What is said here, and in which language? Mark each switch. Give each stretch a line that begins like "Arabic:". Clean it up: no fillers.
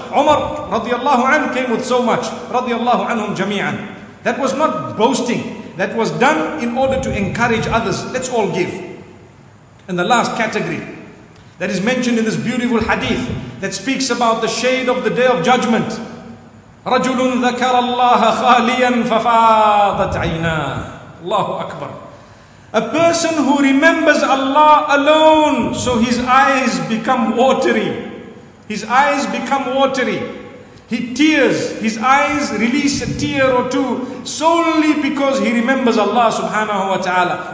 English: Umar radiallahu anhu came with so much. Radiallahu anhum jami'an. That was not boasting. That was done in order to encourage others. Let's all give. And the last category that is mentioned in this beautiful hadith that speaks about the shade of the day of judgment.
Arabic: رَجُلٌ ذَكَرَ اللَّهَ خَالِيًا فَفَاضَتْ عَيْنَاهُ Allahu Akbar.
English: A person who remembers Allah alone, so his eyes become watery. His eyes become watery. His eyes release a tear or two solely because he remembers Allah subhanahu wa ta'ala.